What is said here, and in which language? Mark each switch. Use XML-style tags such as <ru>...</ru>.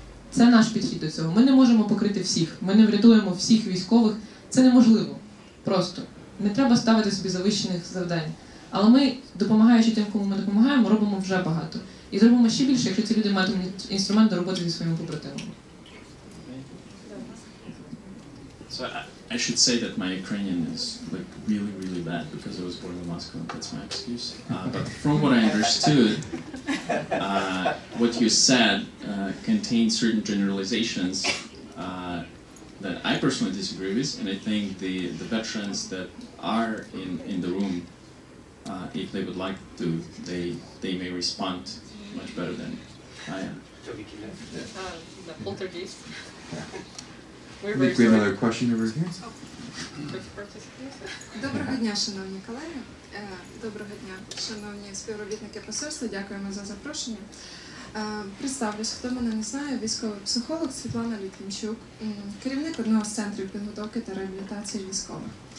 <uk>Це наш підхід до цього. Ми не можемо покрити всіх, ми не врятуємо всіх військових, це неможливо. Просто. Не треба ставити собі завищених завдань. Але ми, допомагаючи тим, кому ми допомагаємо, робимо вже багато. І зробимо ще більше, якщо ці люди матимуть інструмент до роботи зі своїми побратимами.</uk> <en>So I should say that my Ukrainian is like really, really bad because I was born in Moscow, and that's my excuse. But from what I understood, what you said contains certain generalizations that I personally disagree with, and I think the veterans that are in the room, if they would like to, they may respond much better than I am. The poltergeist.</en> <uk>Ми приймали питання в різні. Доброго дня, шановні колеги. Доброго дня, шановні співробітники посольства. Дякуємо за запрошення. Представлюсь, хто мене не знає, військовий психолог Світлана Літвінчук, керівник одного з центрів підготовки та реабілітації військових.</uk>